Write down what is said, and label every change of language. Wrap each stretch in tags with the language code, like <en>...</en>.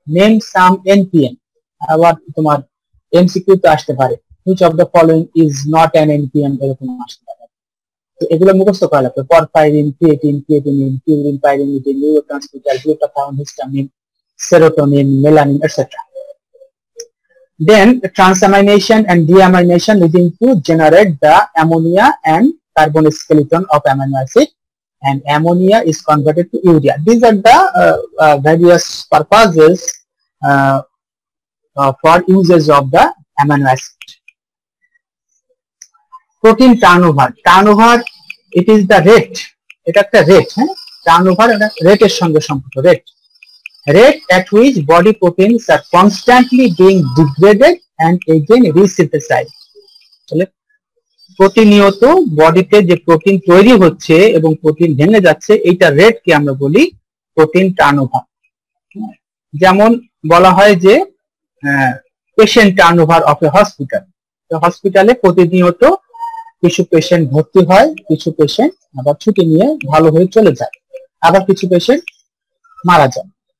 <bn>Name some NPN, আবার তোমার MCQ তো আসতে পারে,</bn> <en>which of the following is not an NPN</en> <bn>এরকম আসতে পারে। তো এগুলো মুখস্থ করা লাগবে। Porphyrin, creatine, creatinine, purine, pyrimidine, neurotransmitter, glutathione, histamine, serotonin, melanin etcetera.</bn> <en>Then transamination and deamination leading to generate the ammonia and carbon skeleton of amino acid, and ammonia is converted to urea. These are the various purposes for uses of the amino acid. Protein turnover. Turnover, it is the rate. It is the rate. Turnover is rate</en> <bn>সঙ্গে সম্পর্কিত</bn> <en>rate. Rate at which body proteins are constantly being degraded and again resynthesized.</en> <bn>প্রতিনিয়ত বডিতে যে protein তৈরি হচ্ছে এবং protein ভেঙে যাচ্ছে, এইটা রেট কে আমরা বলি প্রোটিন টার্নওভার। যেমন বলা হয় যে</bn> <en>patient turnover of a hospital,</en> <bn>হসপিটালে প্রতিনিয়ত কিছু পেশেন্ট ভর্তি হয়, কিছু পেশেন্ট আবার ছুটি নিয়ে ভালো হয়ে চলে যায়, আবার কিছু পেশেন্ট মারা যায়।</bn>